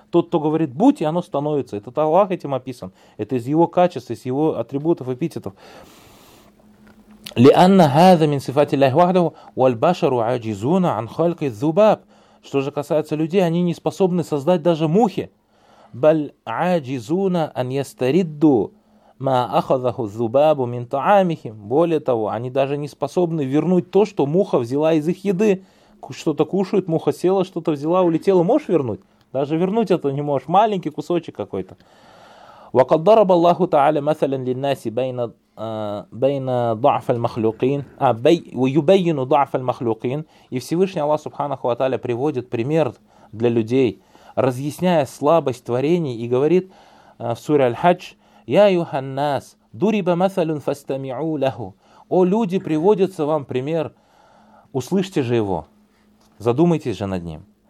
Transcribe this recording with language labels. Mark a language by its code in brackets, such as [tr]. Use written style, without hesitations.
[ru] Тот, кто говорит «будь», и оно становится. Этот Аллах этим описан. Это из его качеств, из его атрибутов, эпитетов. [ar] لِأَنَّ هَذَا مِنْ صِفَاتِ اللَّهِ وَحْدَهُ وَالْبَشَرُ عَجِزُونَ عَنْ خَلْقِ الذُّبَابِ. [ru] Что же касается людей, они не способны создать дадаже мухи. [ar] بَلْ عَجِزُونَ أَنْ يَسْتَرِدُّ ما أخذه الذباب من طعامهم. [ru] Более того, они даже не способны вернуть то, что муха взяла из их еды. Что-то кушают, муха села, что-то взяла, улетела. Можешь вернуть? Даже вернуть это не можешь. Маленький кусочек какой-то. [ar] وقد ضرب الله تعالى مثلا للناس بين ضعف المخلوقين ويبين ضعف المخلوقين. [ru] И Всевышний Аллах Субханаху ва Тааля приводит пример для людей, разъясняя слабость творений, и говорит в суре Аль-Хадж: [ar] «Я Юханнас, дуриба мэсалюн фастамиу лэху». [ru] «О, люди, приводится вам пример, услышьте же его, задумайтесь же над ним».